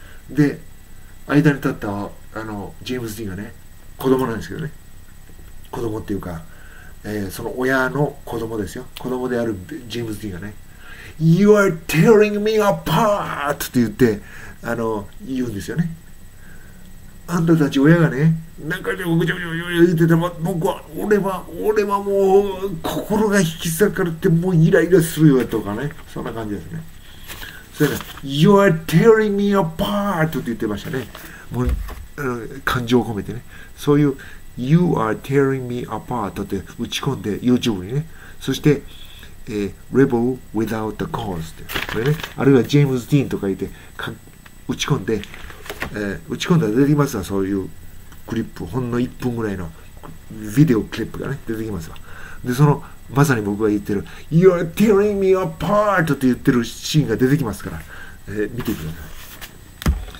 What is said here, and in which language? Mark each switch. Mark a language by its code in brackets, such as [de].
[ja] で、間に立ったあのジェームズ・ディーンがね、子供なんですけどね、子供っていうか、その親の子供ですよ、子供であるジェームズ・ディーンがね、 [en] You are tearing me apart! [ja] って言って、あの、言うんですよね。あんたたち親がね、なんかでもぐちゃぐちゃ言ってたら、僕は、俺はもう心が引き裂かれて、もうイライラするよとかね、そんな感じですね。 [en] それが、You are tearing me apart! [ja] って言ってましたね。もう、感情を込めてね。そういう、 [en] You are tearing me apart! [ja] って打ち込んで、YouTube にね。そして、 [en] Rebel without a cause! [ja] って。これね、あるいは、ジェームズ・ディーンとか言って、打ち込んで、打ち込んだら出てきますわ、そういうクリップ、ほんの1分ぐらいのビデオクリップがね、出てきますわ。で、そのまさに僕が言ってる [en] You're tearing me apart [ja] って言ってるシーンが出てきますから、見てください。